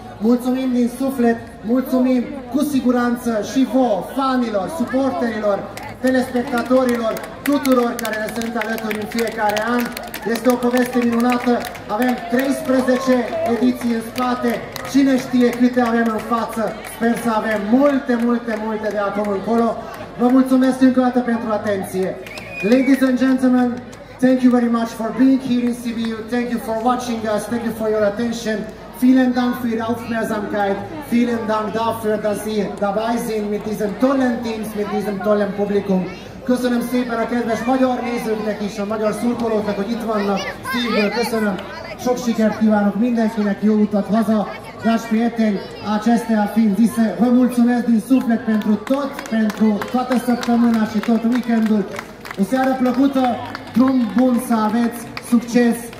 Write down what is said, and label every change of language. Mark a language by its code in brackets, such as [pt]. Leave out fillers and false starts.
[ro] Mulțumim din suflet, mulțumim cu siguranță și vouă, fanilor, suporterilor, telespectatorilor, tuturor care ne sunt alături în fiecare an. Este o poveste minunată, avem 13 ediții în spate, cine știe câte avem în față, sper să avem multe, multe, multe de acum încolo. Vă mulțumesc încă o dată pentru atenție. [en] Ladies and gentlemen, thank you very much for being here in Sibiu, thank you for watching us, thank you for your attention. [de] Vielen Dank für Ihre Aufmerksamkeit, vielen Dank dafür, dass Sie dabei sind mit diesem tollen Teams, mit diesem tollen Publikum. [hu] Köszönöm szépen a kedves magyar nézőknek is, a magyar szurkolóknak, hogy itt vannak, szívből köszönöm. Sok sikert kívánok mindenkinek, jó utat haza. [ro] Dragi prieteni, acestea fiind zise, vă mulțumesc din suflet pentru tot, pentru toată săptămâna și tot weekendul. O seară plăcută, drum bun să aveți succes.